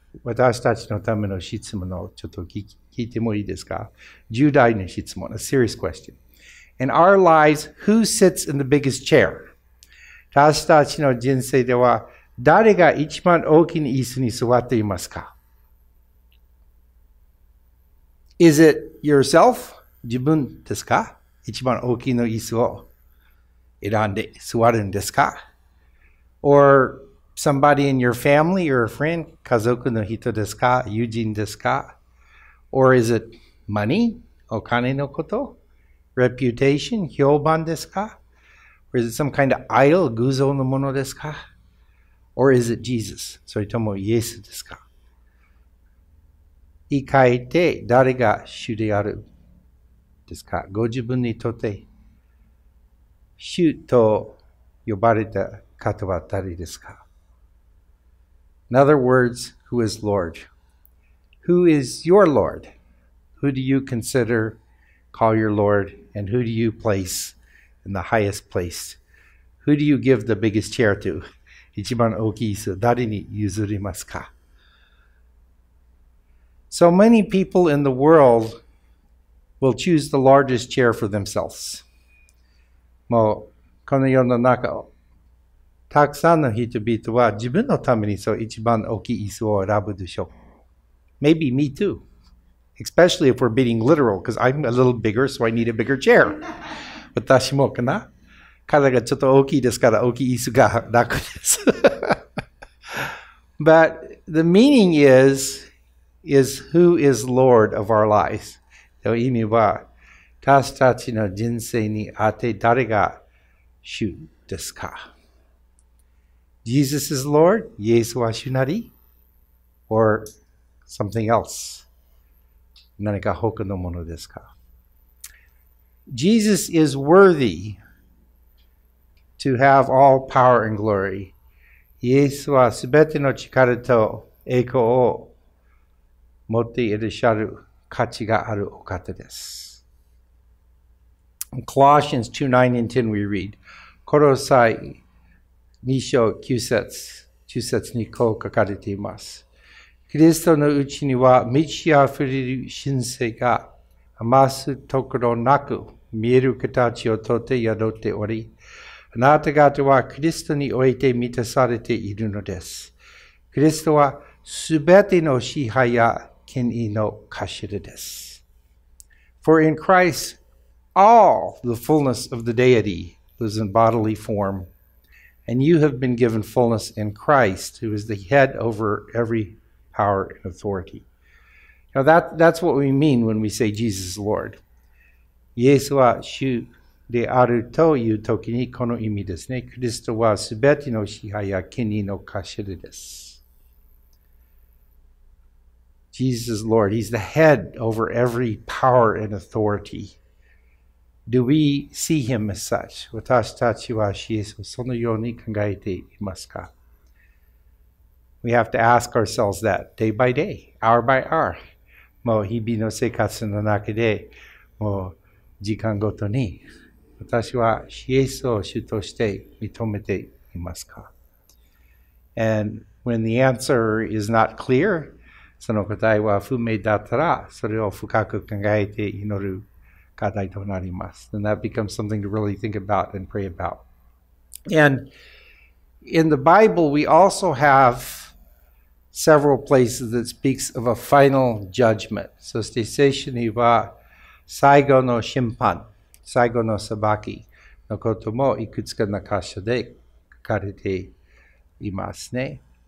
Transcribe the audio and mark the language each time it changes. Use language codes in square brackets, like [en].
[ja] 私たちのための質問をちょっと聞いてもいいですか？重大な質問、 [en] a serious question. In our lives, who sits in the biggest chair? [ja] 私たちの人生では誰が一番大きな椅子に座っていますか？ [en] Is it yourself? [ja] 自分ですか？一番大きな椅子を選んで座るんですか？ [en] Or somebody in your family or a friend? [ja] 家族の人ですか？友人ですか？ [en] Or is it money? [ja] お金のこと？ [en] Reputation? [ja] 評判ですか？ [en] Or is it some kind of idol? [ja] 偶像のものですか？ [en] Or is it Jesus? [ja] それともイエスですか？言い換えて誰が主であるですか？ご自分にとって主と呼ばれた方は誰ですか？ [en] In other words, who is Lord? Who is your Lord? Who do you consider, call your Lord, and who do you place in the highest place? Who do you give the biggest chair to? [ja] 一番大きい椅子、誰に譲りますか？ [en] So many people in the world will choose the largest chair for themselves. [ja] もうこの世の中をたくさんの人々は自分のためにそう一番大きい椅子を選ぶでしょう。 [en] Maybe me too. Especially if we're being literal, because I'm a little bigger, so I need a bigger chair. [ja] 私もかな。体がちょっと大きいですから大きい椅子が楽です。 [en] But the meaning is who is Lord of our lives? [ja] という意味は私たちの人生にあって誰が主ですか？ [en] Jesus is Lord? [ja] イエスは主なり？ [en] Or something else? [ja] 何か他のものですか？ [en] Jesus is worthy to have all power and glory. [ja] イエスはすべての力と栄光を持っていらっしゃる価値があるお方です。 [en] In Colossians 2:9 and 10 we read, [ja] コロサイ2章9節、10節にこう書かれています。キリストのうちには満ち溢れる神性が余すところなく見える形をとって宿っており、あなた方はキリストにおいて満たされているのです。キリストはすべての支配や権威の頭です。 [en] For in Christ,All the fullness of the deity lives in bodily form, and you have been given fullness in Christ, who is the head over every power and authority. Now that's what we mean when we say Jesus is Lord. [ja] イエスは主であるというときにこの意味ですね。キリストはすべての支配や権威の頭です。 [en] Jesus is Lord. He's the head over every power and authority. Do we see him as such? [ja] 私たちは死エスをそのように考えていますか? [en] We have to ask ourselves that day by day, hour by hour. [ja] もう日々の生活の中で、もう時間ごとに、私は死エスを主として認めていますか? [en] And when the answer is not clear, [ja] その答えは不明だったら、それを深く考えて祈る。 [en] And that becomes something to really think about and pray about. And in the Bible, we also have several places that speaks of a final judgment. [ja] そして聖書には最後の審判、最後の裁き。のこともいくつかの箇所で書かれていますね。